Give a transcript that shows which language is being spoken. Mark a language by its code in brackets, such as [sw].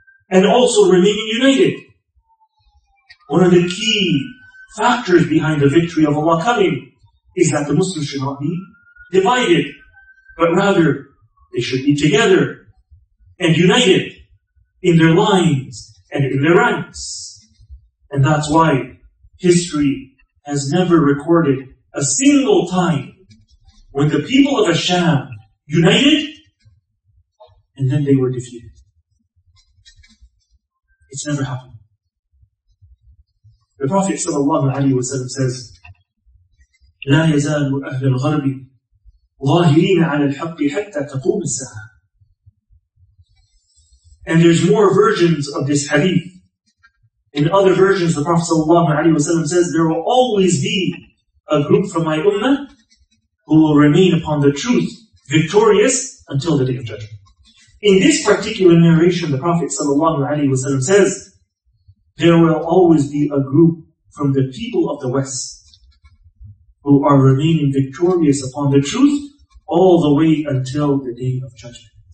[en] And also remaining united. One of the key factors behind the victory of Allah coming is that the Muslims should not be divided, but rather they should be together and united in their lines and in their ranks. And that's why history has never recorded a single time when the people of Asham united and then they were defeated. It's never happened. The Prophet sallallahu alaihi wasallam says, [ar] لا يزال أهل الغرب ظاهرين على الحق حتى تقوم الساعة. [en] And there's more versions of this hadith. In other versions, the Prophet ﷺ says, there will always be a group from my ummah who will remain upon the truth, victorious until the day of judgment. In this particular narration, the Prophet ﷺ says, there will always be a group from the people of the West who are remaining victorious upon the truth all the way until the day of judgment.